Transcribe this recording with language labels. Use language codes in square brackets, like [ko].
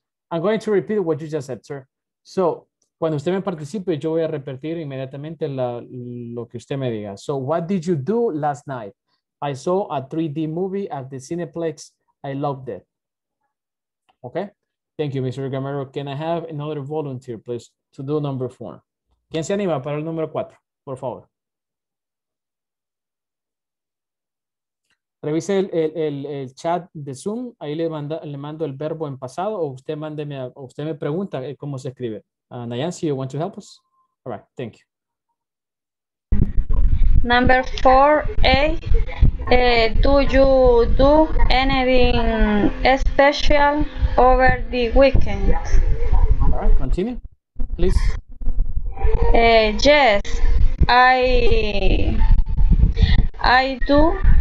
[en] I'm going to repeat what you just said, sir. [es] So, cuando usted me participe, yo voy a repetir inmediatamente lo que usted me diga. [en] So, what did you do last night? I saw a 3D movie at the Cineplex. I loved it. Okay? Thank you, Mr. Gamero. Can I have another volunteer, please, to do number four? [es] ¿Quién se anima para el número cuatro? Por favor. Revise el chat de Zoom. Ahí le mando el verbo en pasado o usted me pregunta cómo se escribe. [en] Nayansi, you want to help us? All right, thank you. Number 4A, do you do anything special over the weekend? All right, continue, please. Yes, I do.